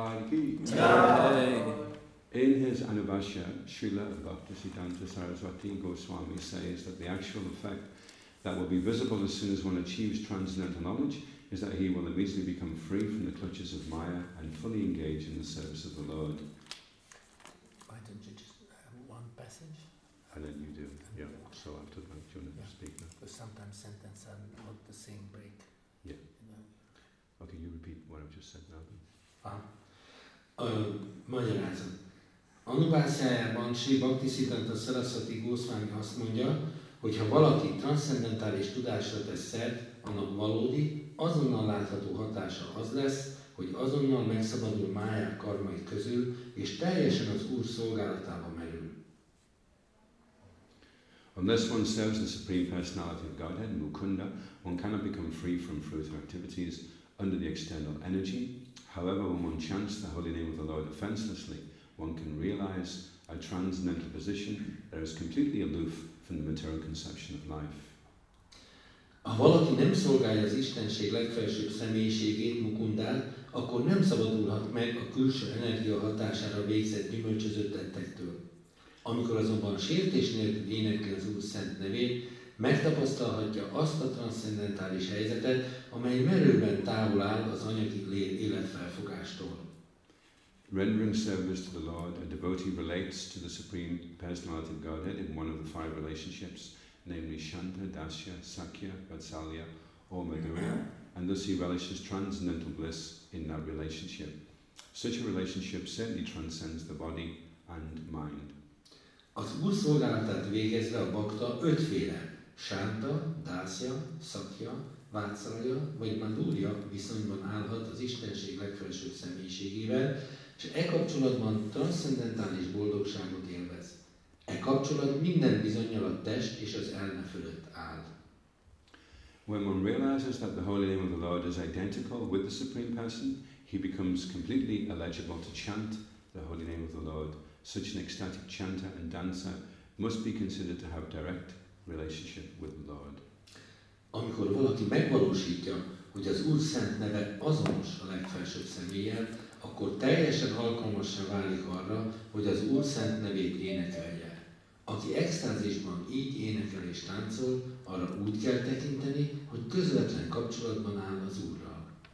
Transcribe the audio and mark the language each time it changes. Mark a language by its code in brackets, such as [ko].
[en] In his Anubhasya, Srila Bhaktisiddhanta Saraswati Goswami says that the actual effect that will be visible as soon as one achieves transcendental knowledge is that he will immediately become free from the clutches of Maya and fully engage in the service of the Lord. Why don't you just one passage? And then you do. Yeah. So after that, do you want to speak now? Because sometimes sentence are not the same break. Yeah. No. Okay, you repeat what I've just said now then. [hu] Magyarázom. Anubhasyájában Sri Bhaktisiddhanta Saraswati Goswami azt mondja, hogy ha valaki transzcendentális tudásra tesz szert, annak valódi, azonnal látható hatása az lesz, hogy azonnal megszabadul Mája karmai közül, és teljesen az Úr szolgálatába merül. [en] Unless one serves the Supreme Personality of Godhead, Mukunda, one cannot become free from fruitful activities under the external energy. However, when one chants the holy name of the Lord offenselessly, one can realize a transcendental position that is completely aloof from the material conception of life. [hu] Ha valaki nem szolgálja az Istenség legfelsőbb személyiségét, Mukundát, akkor nem szabadulhat meg a külső energia hatására végzett gyümölcsöző tettektől. Amikor azonban sértés nélkül énekel az Úr Szent nevét, megtapasztalhatja azt a transzcendentális helyzetet, amely merőben távol áll az anyagi életfelfogástól. [en] Rendering service to the Lord, a devotee relates to the Supreme Personality of Godhead in one of the five relationships, namely Shanta, Dasya, Sakya, Vatsalya, or Madhurya, and thus he relishes transcendental bliss in that relationship. Such a relationship certainly transcends the body and mind. [hu] Az Úr szolgálatát végezve a bakta ötféle, Shanta, Dasya, Sakya, Vatsalya, vagy Madhurya viszonyban állhat az Istenség legfelsőbb személyiségével, és e kapcsolatban transzcendentális boldogságot élvez. E kapcsolat minden bizonnyal a test és az elme fölött áll. [en] When one realizes that the holy name of the Lord is identical with the Supreme Person, he becomes completely eligible to chant the holy name of the Lord. Such an ecstatic chanter and dancer must be considered to have direct relationship with the Lord. [hu] Amikor valaki megvalósítja, hogy az Úr Szent neve azonos a legfelsőbb személlyel, akkor teljesen alkalmassá válik arra, hogy az Úr Szent nevét énekelje. Aki extázisban így énekel és táncol, arra úgy kell tekinteni, hogy közvetlen kapcsolatban áll az Úrral.